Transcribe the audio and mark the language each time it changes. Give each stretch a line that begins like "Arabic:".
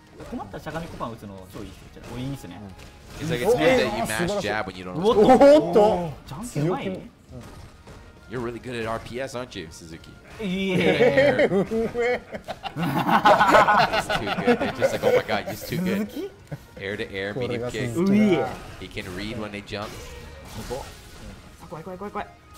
Japanese: 困ったらしゃがみコパン打つの超いいですよ。いいですね。
English: It's like it's weird that you mash jab when you don't know what to do. おっと
Japanese: ジャンプ上手い
English: You're really good at RPS, aren't you, Suzuki?
Japanese: いえ
English: It's too good. It's just like, oh my god, it's too good. Air to air, medium kick. うぃえ He can read when they jump.
Japanese: ここ怖い怖い怖い怖い。